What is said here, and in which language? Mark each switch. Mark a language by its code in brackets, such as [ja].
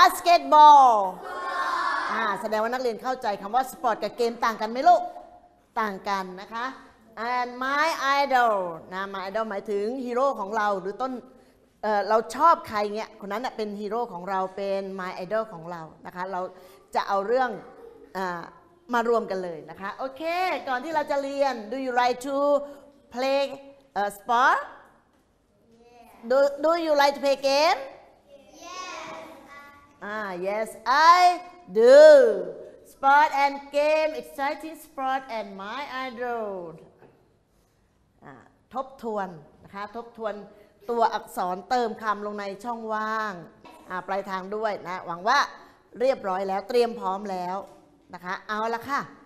[th] าสเกตบอลแสดงว่านักเรียนเข้าใจคำว่าสปอร์ตกับเกมต่างกันไหมลูกต่างกันนะคะ and my idol นะ my idol หมายถึงฮีโร่ของเราหรือต้น เราชอบใครเงี้ยคนนั้นเป็นฮีโร่ของเราเป็น my idol ของเรานะคะเราจะเอาเรื่องมารวมกันเลยนะคะโอเคก่อนที่เราจะเรียน [en] do you like to play sportDo you like to play game? Yes. Yes, I do. Sport and game, exciting sport and my idol. [th] ทบทวนนะคะทบทวนตัวอักษรเติมคำลงในช่องว่างปลายทางด้วยนะหวังว่าเรียบร้อยแล้วเตรียมพร้อมแล้วนะคะเอาละค่ะ